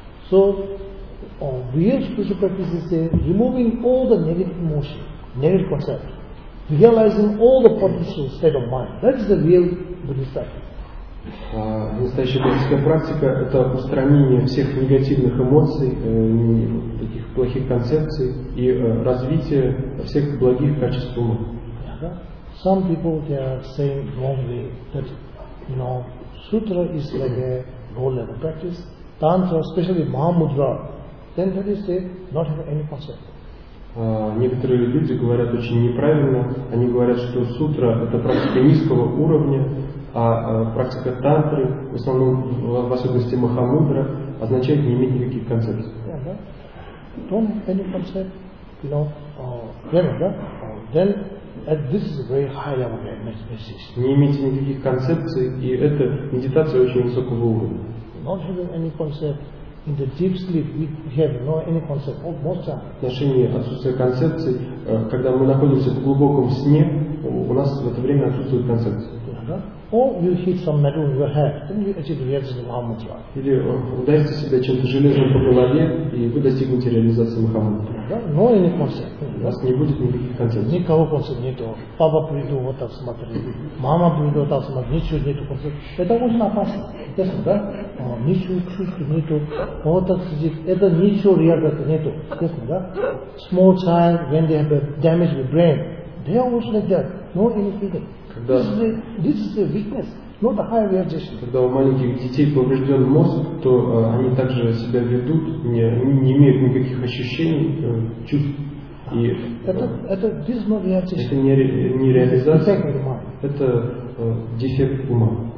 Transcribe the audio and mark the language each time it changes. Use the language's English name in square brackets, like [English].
[English] So, real spiritual practice is removing all the negative emotion, negative concept, realizing all the potential state of mind. That is the real Buddhist practice. [Russian] Настоящая буддийская практика – это устранение всех негативных эмоций, таких плохих концепций и развитие всех благих качеств ума. [English] Some people they are saying wrongly that, you know, sutra is like a low level practice, tantra, especially mahamudra, then that is they not have any concept. [Russian] Некоторые люди говорят очень неправильно. Они говорят, что сутра – это практика низкого уровня. А практика тантры, в основном в особенности махамудра, означает не иметь никаких концепций. [English] Don't any concept, you know, clever, [Russian] да? [English] Then at this is very high level meditation. [Russian] Не иметь никаких концепций, и это медитация очень высокого уровня. [English] Not having any concept in the deep sleep, we have no any concept of most time. [Russian] В отношении отсутствия концепций, когда мы находимся в глубоком сне, у нас в это время отсутствует концепция. [English] Or you hit some metal in your head, then you achieve realization of mahamudra. [Russian] Или ударите себя чем-то железным по голове, и вы достигнете реализации махамудры. [English] No any concept. [Russian] У вас не будет никаких концепций. Никого концепта нету. Папа придет, вот так смотри. Мама придет, вот так смотри. Ничего нету концепта. Это очень опасно. [English] Yes, [Russian] да? Ничего чувства нету. Вот так сидит. Это ничего реагирует нету. Yes, да? [English] Small child, when they have a damaged brain, they are also like that. No any feeling. [Russian] Когда, [English] this is a weakness. Not the higher reaction. [Russian] Когда у маленьких детей поврежден мозг, то они также себя ведут, не имеют никаких ощущений, чувств. И это не реализация, это дефект ума.